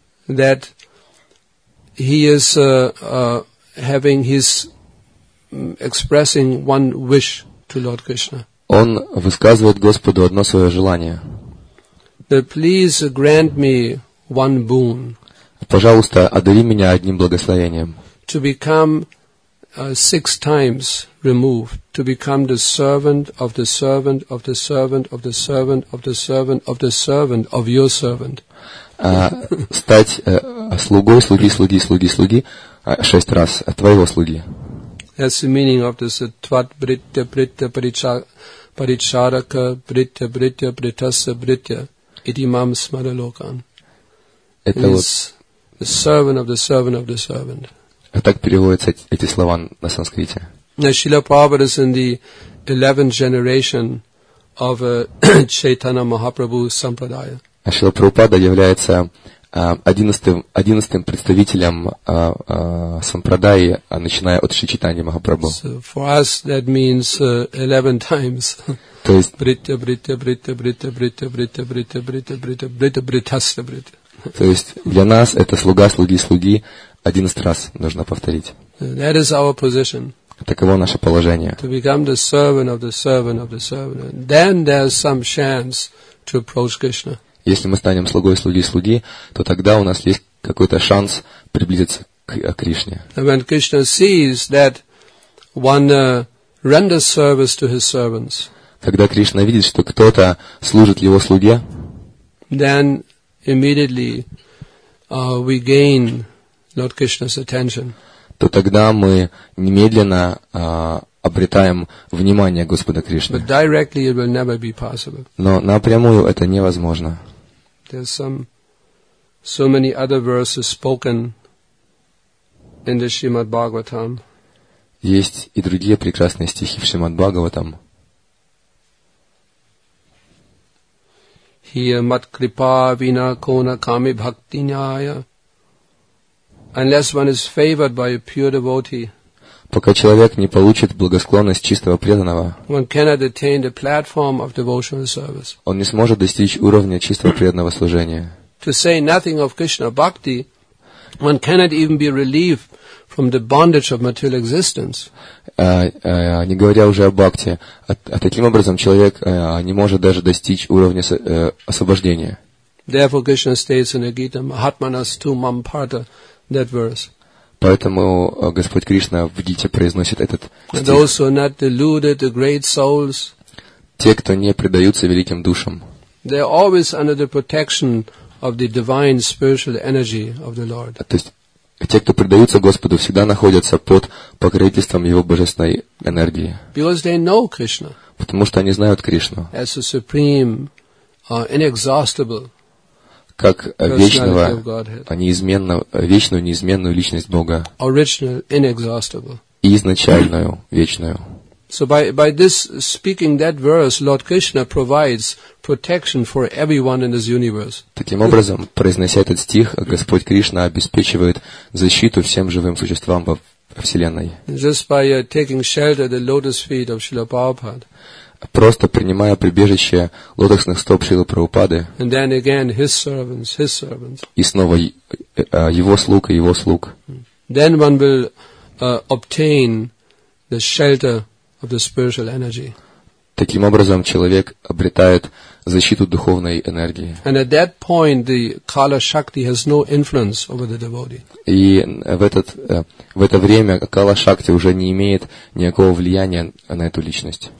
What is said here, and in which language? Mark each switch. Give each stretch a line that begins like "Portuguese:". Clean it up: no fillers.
English: That he is having his expressing one wish to Lord Krishna.
Russian: Он высказывает Господу одно свое желание.
English: Please grant me one boon.
Russian: Пожалуйста, одари меня одним благословением.
English: To become six times removed, to become the servant of the servant of the servant of the servant of the servant of the servant of your servant.
Russian: Стать слугой, слуги, слуги, слуги, слуги, шесть раз твоего слуги.
English: That's the meaning of this
Sanskrit: tvat britya britya paricha. Паричарака, бритья, бритья, бритаса, бритья, идимам смаралокан.
Russian: Это вот
English: the servant of the servant of the servant.
Russian: А так переводятся эти слова на санскрите.
English: Now, Srila Prabhupada is in the 11th generation of Chaitanya Mahaprabhu Sampradaya.
Russian: А Шрила Прабхупада является 11-м представителем сампрадаи, начиная от Шичитани Махапрабху.
English: So for us that means 11 times.
Russian: То есть
Sanskrit: бритья, бритья, бритья, бритья, бритья, бритья, бритья, бритья, бритья, бритья, бритья, бритья.
Russian: То есть для нас это слуга, слуги, слуги 11 раз нужно повторить.
English: That is our position.
Russian: Таково наше положение.
English: To become the servant of the servant of the servant. Then there's some chance to approach Krishna.
Russian: Если мы станем слугой слуги слуги, то тогда у нас есть какой-то шанс приблизиться к Кришне.
English: When Krishna sees that one renders service to his servants,
Russian: когда Кришна видит, что кто-то служит его слуге,
English: then immediately we gain Lord Krishna's attention.
Russian: То тогда мы немедленно обретаем внимание Господа Кришны.
English: But directly it will never be possible.
Russian: Но напрямую это невозможно.
English: There's so many other verses spoken in the Shrimad Bhagavatam.
Russian: Есть и другие прекрасные стихи в Шримад Бхагаватам.
Bangla: Hiya mat kripa vina kona kami bhakti nyaya.
English: Unless one is favored by a pure devotee.
Russian: Пока человек не получит благосклонность чистого преданного,
English: one cannot attain the platform of devotional service.
Russian: Он не сможет достичь уровня чистого преданного служения.
English: To say nothing of Krishna bhakti, one cannot even be relieved from the bondage of material existence.
Russian: Не говоря уже о бхакти, таким образом человек не может даже достичь уровня освобождения.
English: Therefore Krishna states in the Gita,
Sanskrit: Mahatmanas tu mam parta,
English: that verse.
Russian: Поэтому Господь Кришна в Гите произносит этот стих.
English: And those who are not deluded, the great souls,
Russian: те, кто не предаются великим душам,
English: they are always under the protection of the divine spiritual energy of the Lord.
Russian: То есть те, кто предаются Господу, всегда находятся под покровительством Его божественной энергии.
English: Because they know Krishna.
Russian: Потому что они знают Кришну.
English: As a supreme, inexhaustible.
Russian: Как вечного, неизменную личность Бога.
English: Original, inexhaustible.
Russian: И изначальную, вечную.
English: So by this speaking that verse, Lord Krishna provides protection for everyone in this universe.
Russian: Таким образом, произнося этот стих, Господь Кришна обеспечивает защиту всем живым существам во Вселенной.
English: Just by taking shelter at the lotus feet of Srila Prabhupada.
Russian: Просто принимая прибежище лотосных стоп Шрилы Прабхупады.
English: And then again, his servants.
Russian: И снова его слуг и его слуг.
English: Then one will obtain the shelter of the spiritual energy.
Russian: Таким образом, человек обретает защиту духовной энергии.
English: And at that point, the Kala Shakti has no influence over the devotee.
Russian: И в это время Kala Shakti уже не имеет никакого влияния на эту личность.